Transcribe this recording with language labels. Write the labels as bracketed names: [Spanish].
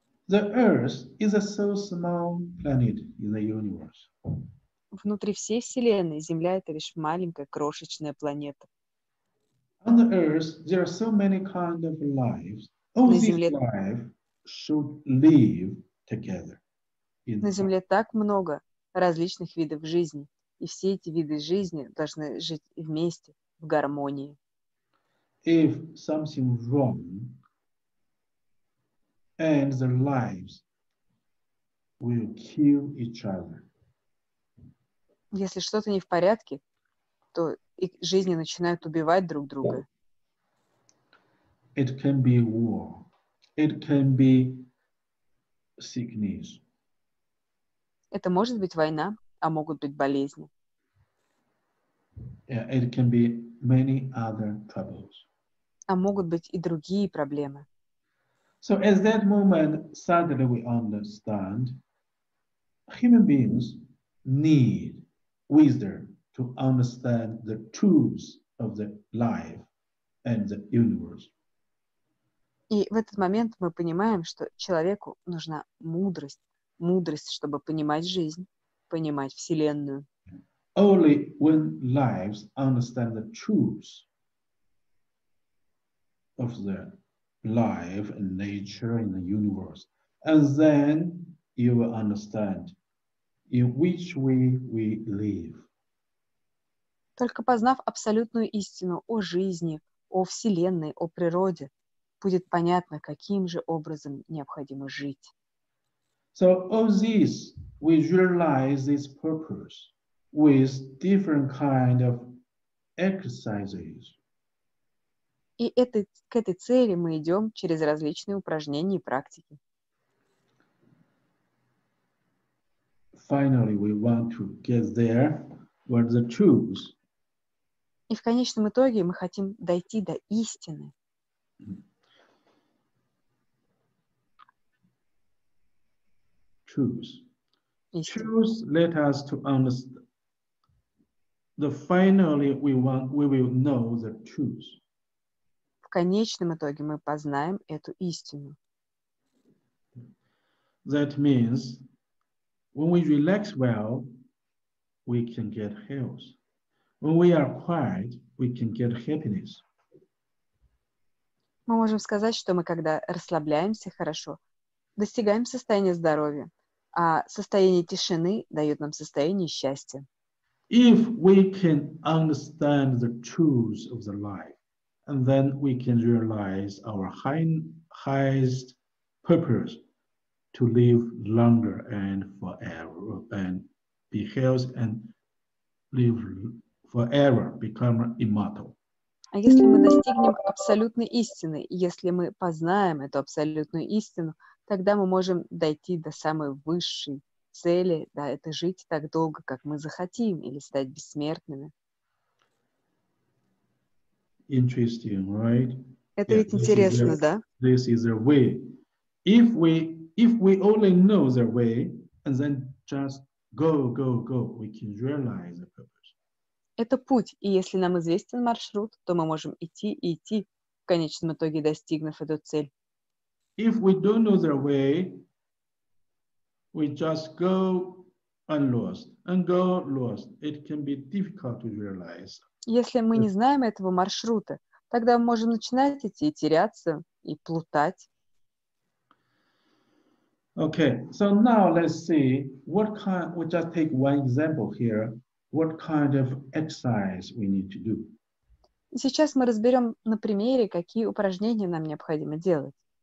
[English] The Earth is a so small planet in the universe. [Russian] Внутри всей Вселенной Земля — это лишь маленькая крошечная планета. [English] On the Earth, there are so many kinds of lives. All these lives should live together. [Russian] На Земле так много различных видов жизни, и все эти виды жизни должны жить вместе, в гармонии. [English] If something wrong, and the lives will kill each other. [Russian] Если что-то не в порядке, то и жизни начинают убивать друг друга. [English] It can be war. It can be sickness. [Russian] Это может быть война, а могут быть болезни. [English] Yeah, it can be many other troubles. [Russian] А могут быть и другие проблемы. [English] So at that moment, suddenly we understand human beings need wisdom to understand the truths of the life and the universe. [Russian] И в этот момент мы понимаем, что человеку нужна мудрость, мудрость, чтобы понимать жизнь, понимать Вселенную. [English] Only when lives understand the truths of the life and nature in the universe, and then you will understand in which way we live. [Russian] Только познав абсолютную истину о жизни, о Вселенной, о природе, будет понятно, каким же образом необходимо жить. [English] So all this, we realize this purpose with different kind of exercises. [Russian] И это, к этой цели мы идем через различные упражнения и практики. [English] Finally, we want to get there where the truth. [Russian] И в конечном итоге мы хотим дойти до истины. [English] Truth let us to understand. The finally we want, we will know the truth. [Russian] В конечном итоге мы познаем эту истину. [English] That means when we relax well, we can get health. When we are quiet, we can get happiness. [Russian] Мы можем сказать, что мы, когда расслабляемся хорошо, достигаем состояния здоровья. А состояние тишины дает нам состояние счастья. [English] If we can understand the truths of the life, and then we can realize our highest purpose to live longer and forever and be healthy and live forever, become immortal. [Russian] А если мы достигнем абсолютной истины, если мы познаем эту абсолютную истину, тогда мы можем дойти до самой высшей цели, да, это жить так долго, как мы захотим, или стать бессмертными. [English] Interesting, right? [Russian] Это yeah, ведь интересно, да? [English] This is a way. If we only know the way, and then just go, we can realize the purpose. [Russian] Это путь, и если нам известен маршрут, то мы можем идти и идти, в конечном итоге достигнув эту цель. [English] If we don't know the way, we just go and lost, and go lost. It can be difficult to realize. [Russian] Если мы не знаем этого маршрута, тогда мы можем начинать идти и теряться, и плутать. [English] Okay, so now let's see, we'll just take one example here. What kind of exercise we need to do? [Russian] Сейчас мы разберем на примере, какие упражнения нам необходимо делать.